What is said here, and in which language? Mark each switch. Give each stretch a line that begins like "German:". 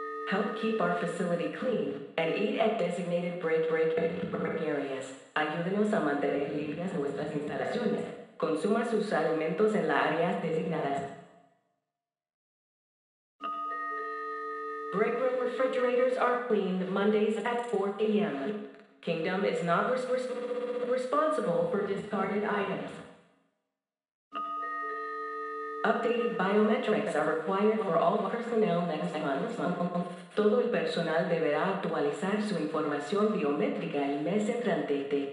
English: Help keep our facility clean and eat at designated break areas.
Spanish: Ayúdenos a mantener limpias nuestras instalaciones. Consuma sus alimentos en las áreas designadas.
English: Break room refrigerators are cleaned Mondays at 4 a.m. Kingdom is not responsible for discarded items. Updated biometrics are required for all personnel next month.
Spanish: Todo el personal deberá actualizar su información biométrica el mes entrante.